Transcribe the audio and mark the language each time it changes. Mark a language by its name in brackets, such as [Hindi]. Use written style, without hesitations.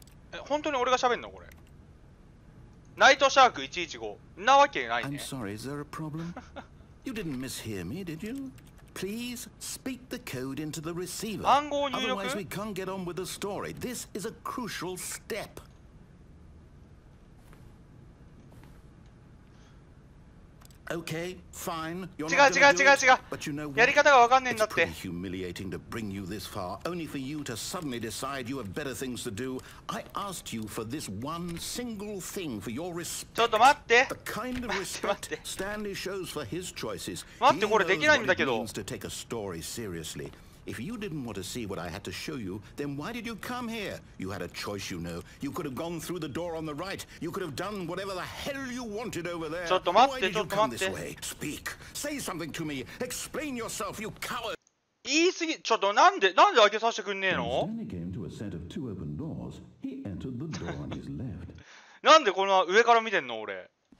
[Japanese] え、本当に俺が喋んのこれ。ナイトシャーク115なわけないね。 [English] I'm sorry, is there a problem? You didn't mishear me, did you? Please speak the code into the receiver. [Japanese] 暗号入力。 [English] Otherwise, we can't get on with the story. This is a crucial step. Okay, fine. You're not going to do it. [Japanese] 違う違う違う違う。 [English] But you know what? [Japanese] やり方がわかんねえんだって。 [English] It's pretty humiliating to bring you this far, only for you to suddenly decide you have better things to do. I asked you for this one single thing for your respect. [Japanese] ちょっと待って。 [English] The kind of respect Stanley shows for his choices. [Japanese] 待ってこれできないんだけど。 [English] He knows what it means to take a story seriously. If you didn't want to see what I had to show you, then why did you come here? You had a choice, you know. You could have gone through the door on the right. You could have done whatever the hell you wanted over there. [Japanese] ちょっと待って、ちょっと待って。 [English] Why did you come this way? Speak. Say something to me. Explain yourself, you coward. [Japanese] 言い過ぎ、ちょっとなんで開けさせてくんねえの？ [English] Stanley came to a set of two open doors. He entered the door on his left. [Japanese] なんでこの上から見てんの、俺。